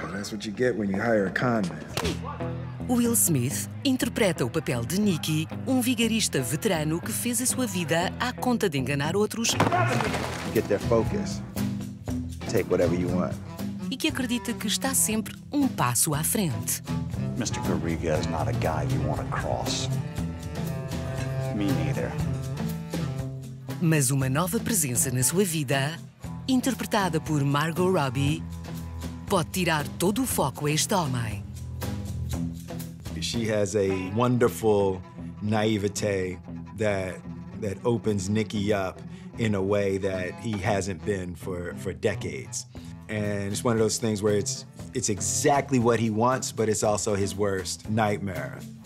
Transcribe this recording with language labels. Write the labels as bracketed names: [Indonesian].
[English] What you get when you hire a con man. [Portuguese] Will Smith interpreta o papel de Nicky, um vigarista veterano que fez a sua vida à conta de enganar outros. [English] Get their focus. Take whatever you want. [Portuguese] E que acredita que está sempre um passo à frente. [English] Mr. Garriga is not a guy you want to cross. Me neither. [Portuguese] Mas uma nova presença na sua vida, interpretada por Margot Robbie, pode tirar todo o foco a este homem. [English] She has a wonderful naivete that opens Nicky up in a way that he hasn't been for decades. And it's one of those things where it's exactly what he wants, but it's also his worst nightmare.